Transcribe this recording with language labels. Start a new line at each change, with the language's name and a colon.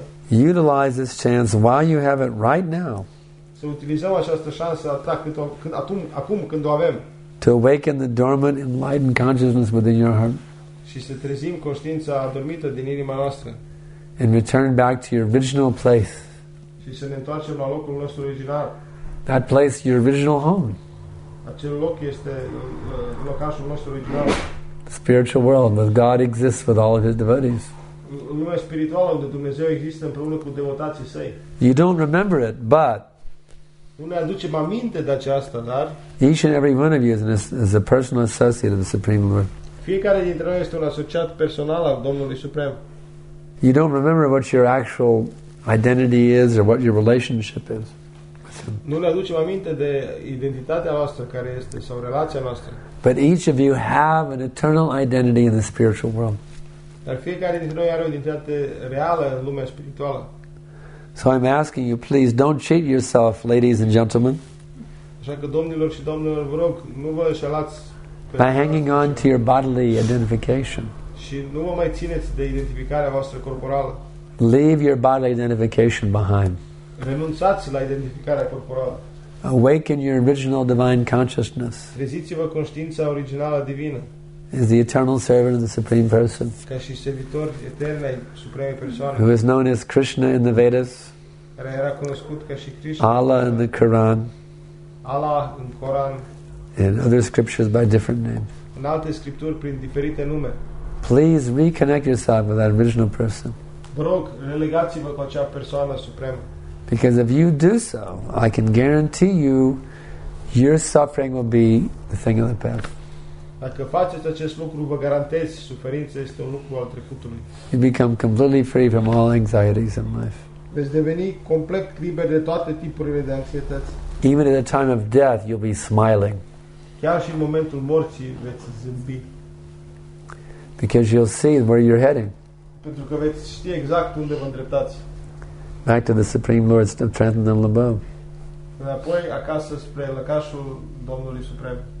English: Utilize this chance while you have it right now.
Romanian: Să utilizăm această șansă acum când o avem.
English: To awaken the dormant enlightened consciousness within your heart.
Romanian: Și să trezim conștiința adormită din inima noastră.
English: And return back to your original place.
Romanian: Și să ne întoarcem la locul nostru original.
English: That place, your original home.
Romanian: Acel loc este locașul nostru original.
English: The spiritual world where God exists with all of his devotees.
Romanian: Lumea spirituală unde Dumnezeu există împreună cu devotații săi.
English: You don't remember it, but
Romanian: nu ne aducem aminte de aceasta, dar
English: each and every one of you is a personal associate of the Supreme Lord.
Romanian: Fiecare dintre noi este un asociat personal al Domnului Suprem.
English: You don't remember what your actual identity is or what your relationship is.
Romanian: Nu ne aducem aminte de identitatea noastră care este sau relația noastră.
English: But each of you have an eternal identity in the spiritual world.
Romanian: Dar fiecare dintre noi are o identitate reală în lumea spirituală.
English: So I'm asking you, please don't cheat yourself, ladies and gentlemen.
Romanian: Așa că domnilor și domnilor, vă rog, nu vă înșelați.
English: By hanging on to your bodily identification.
Romanian: Și nu mă mai țineți de identificarea voastră corporală.
English: Leave your bodily identification behind.
Romanian: Renunțați la identificarea corporală.
English: Awaken your original divine consciousness.
Romanian: Treziți-vă conștiința originală divină.
English: As the eternal servant of the Supreme Person.
Romanian: Ca și servitor etern al supremei persoane.
English: Who is known as Krishna in the Vedas.
Romanian: Care era cunoscut ca și Krishna.
English: Allah in the Quran.
Romanian: Allah în Coran.
English: In other scriptures by different names.
Romanian: În alte scripturi prin diferite nume.
English: Please reconnect yourself with that original person.
Romanian: Vă rog, relegați-vă cu acea persoană supremă.
English: Because if you do so, I can guarantee you, your suffering will be the thing of the past.
Romanian: Dacă faceți acest lucru, vă garantez, suferința este un lucru al trecutului.
English: You become completely free from all anxieties in life.
Romanian: Veți deveni complet liber de toate tipurile de anxietăți.
English: Even at the time of death, you'll be smiling.
Romanian: Chiar și în momentul morții veți zâmbi.
English: Because you'll see where you're heading.
Romanian: Pentru că veți ști exact unde vă îndreptați.
English: Back to the Supreme Lord's transcendental abode.
Romanian: Înapoi acasă spre lăcașul Domnului Suprem.